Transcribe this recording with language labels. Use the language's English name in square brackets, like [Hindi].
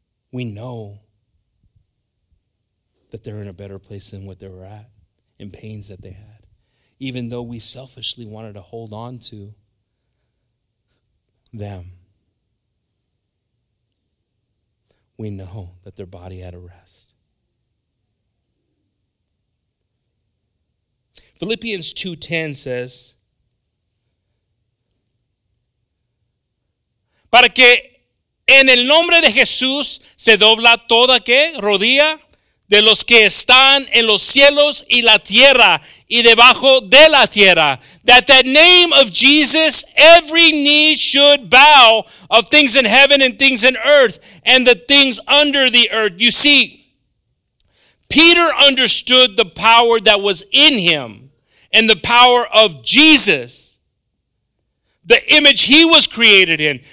[English] We know that they're in a better place than what they were at and pains that they had. Even though we selfishly wanted to hold on to them, we know that their body had a rest. Philippians 2:10 says, [Spanish] para que en el nombre de Jesús se dobla toda que rodilla de los que están en los cielos y la tierra y debajo de la tierra. [English] That the name of Jesus, every knee should bow of things in heaven and things in earth and the things under the earth. You see, Peter understood the power that was in him and the power of Jesus, the image he was created in.